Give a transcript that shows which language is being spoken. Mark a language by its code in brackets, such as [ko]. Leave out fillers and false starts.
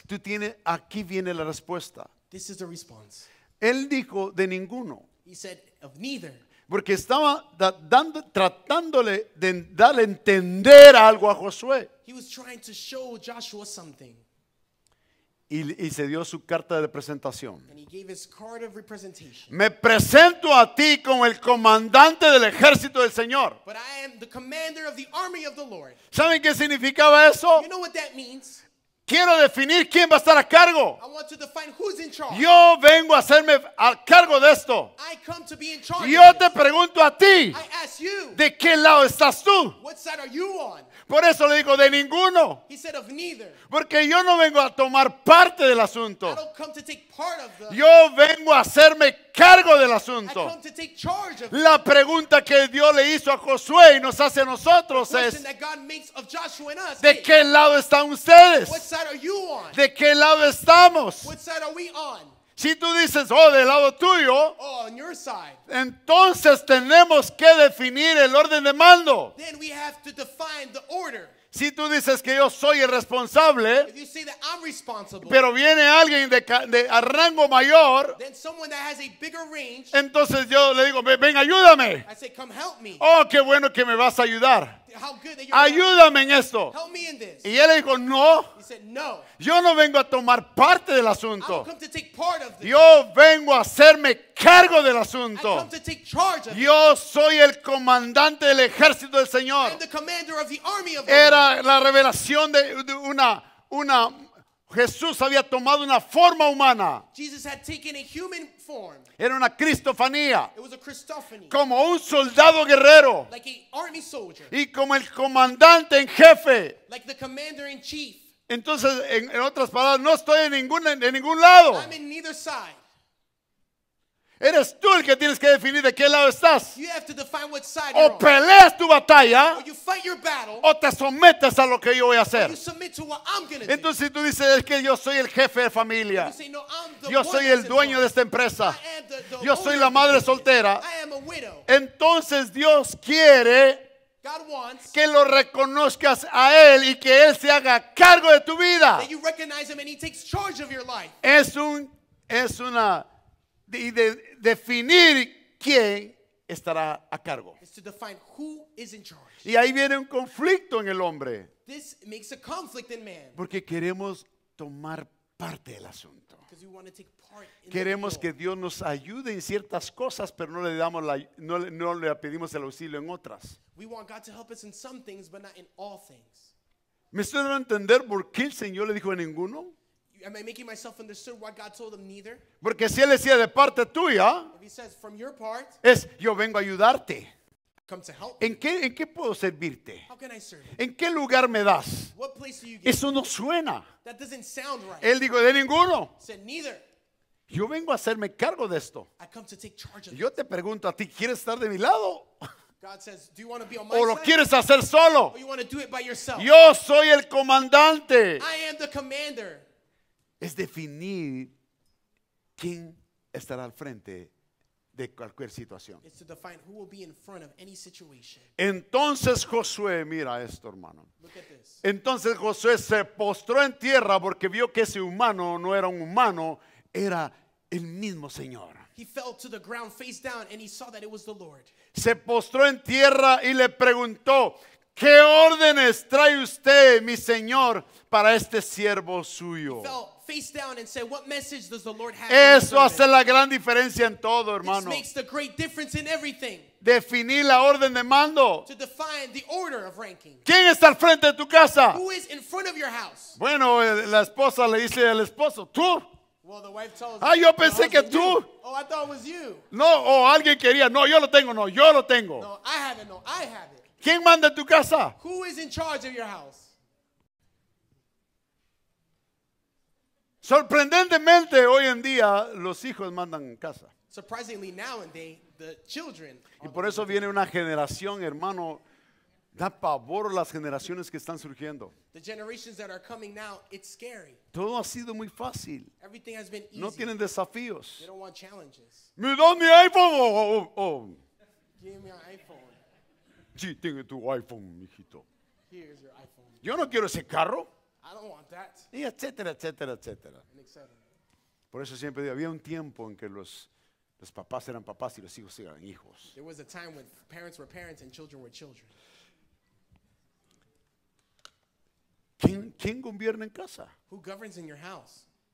[es] tú tienes, aquí viene la respuesta. [en] This is the response. [es] Él dijo de ninguno. [en] He said, of neither. [es] Porque estaba tratándole de darle entender algo a Josué. [en] He was trying to show Joshua something. [es] Y se dio su carta de presentación. [en] And he gave his card of representation. [es] Me presento a ti como el comandante del ejército del Señor. [en] But I am the commander of the army of the Lord. [es] ¿Saben qué significaba eso? [en] You know what that means? [es] Quiero definir quién va a estar a cargo. [en] I want to define who's in charge. [es] Yo vengo a hacerme a cargo de esto. [en] I come to be in charge. [es] Yo te pregunto a ti. [en] I ask you, [es] ¿de qué lado estás tú? [en] What side are you on? [es] Por eso le digo, de ninguno. [en] He said, of neither. [es] Porque yo no vengo a tomar parte del asunto. [en] I don't come to take part of the. [es] Yo vengo a hacerme cargo del asunto. [en] I come to take charge of. [es] La pregunta que Dios le hizo a Josué y nos hace a nosotros es, [en] that God makes of Joshua and us, [es] ¿de qué lado están ustedes? [en] What side are you on? [es] ¿De qué lado estamos? [en] What side are we on? [es] Si tú dices, del lado tuyo, [en] on your side, [es] entonces tenemos que definir el orden de mando. [en] Then we have to define the order. [es] Si tú dices que yo soy el responsable, [en] if you say that I'm responsible, [es] pero viene alguien de a rango mayor, [en] then someone that has a bigger range, [es] entonces yo le digo, ven, ayúdame. [en] I say, come help me. [es] Oh, qué bueno que me vas a ayudar. [en] how good that you're. [es] Ayúdame en esto. [en] Help me in this. [es] Y él le dijo, no. [en] He said, no. [es] Yo no vengo a tomar parte del asunto. [en] I come to take part of this. [es] Yo vengo a hacerme cargo del asunto. [en] I come to take charge of it. [es] Yo soy el comandante del ejército del Señor. [en] I'm the commander of the army of the Lord. [es] Era la revelación de una Jesús había tomado una forma humana. [en] Jesus had taken a human form. [es] Era una cristofanía. [en] It was a Christophany. [es] Como un soldado guerrero. [en] Like an army soldier. [es] Y como el comandante en jefe. [en] Like the commander in chief. [es] Entonces, en otras palabras, no estoy en ningún lado. [en] I'm in neither side. [es] Eres tú el que tienes que definir de qué lado estás. [en] You have to define what side you're on. [es] O peleas tu batalla. [en] Or you fight your battle. [es] O te sometes a lo que yo voy a hacer. [en] Or you submit to what I'm gonna do. [es] Entonces, si tú dices, es que yo soy el jefe de familia. [en] You say, no, I'm the [es] yo soy el dueño de esta empresa. [en] I am the [es] yo soy la madre soltera. [en] I am a widow. [es] Entonces, Dios quiere [en] God wants [es] que lo reconozcas a Él y que Él se haga cargo de tu vida. [en] That you recognize Him and He takes charge of your life. [es] Es una. Y de definir quién estará a cargo. [en] To define who is in charge. [es] Y ahí viene un conflicto en el hombre. [en] This makes a conflict in man. [es] Porque queremos tomar parte del asunto. [en] Because we want to take part in [es] queremos que Dios nos ayude en ciertas cosas, pero no le damos la, no, no le pedimos el auxilio en otras. [en] We want God to help us in some things, but not in all things. [es] ¿Me estoy dando a entender por qué el Señor le dijo a ninguno? [en] Am I making myself understood why God told them neither? [es] Porque si él decía de parte tuya, [en] if he says from your part, [es] es yo vengo a ayudarte. [en] Come to help. [es] ¿En qué puedo servirte? [en] How can I serve? [es] ¿En qué lugar me das? [en] What place do you give? [es] Eso no suena. [en] That doesn't sound right. [es] Él dijo de ninguno. [en] He said neither. [es] Yo vengo a hacerme cargo de esto. [en] I come to take charge of [es] yo [en] it. [es] Te pregunto a ti, ¿quieres estar de mi lado? [en] God says, do you want to be on my [es] o lo [en] side? [es] Quieres hacer solo? [en] Or you want to do it by yourself? [es] Yo soy el comandante. [en] I am the commander. [es] Es definir quién estará al frente de cualquier situación. [en] It's to define who will be in front of any situation. [es] Entonces Josué, mira esto, hermano. [en] Look at this. [es] Entonces Josué se postró en tierra porque vio que ese humano no era un humano, era el mismo Señor. [en] He fell to the ground face down and he saw that it was the Lord. [es] Se postró en tierra y le preguntó, ¿qué órdenes trae usted, mi Señor, para este siervo suyo? [en] He fell face down and said, what message does the Lord have? [es] Eso hace la gran diferencia en todo, hermano. [en] This makes the great difference in everything. [es] Definir la orden de mando. [en] To define the order of ranking. [es] ¿Quién está al frente de tu casa? [en] Who is in front of your house? [es] Bueno, la esposa le dice al esposo, tú. [en] Well, the wife tells him, [es] yo pensé que tú. [en] Oh, I thought it was you. [es] No, alguien quería. No, yo lo tengo. No, yo lo tengo. [en] No, I have it. No, I have it. [es] ¿Quién manda en tu casa? [en] Who is in charge of your house? [es] Sorprendentemente hoy en día los hijos mandan en casa. [en] Surprisingly nowadays the children. [es] Y por eso viene una generación, hermano, da pavor las generaciones que están surgiendo. [en] The generations that are coming now, it's scary. [es] Todo ha sido muy fácil. [en] Everything has been easy. [es] No tienen desafíos. [en] They don't want challenges. [es] Me da mi iPhone. [en] Give me an iPhone. [es] Sí, tiene tu iPhone, mijito. [en] Here's your iPhone. [es] Yo no quiero ese carro. [en] I don't want that. [es] Y etcétera, etcétera, etcétera. Por eso siempre digo, había un tiempo en que los papás eran papás y los hijos eran hijos. [en] There was a time when parents were parents and children were children. [es] ¿Quién gobierna en casa? [en] Who governs in your house?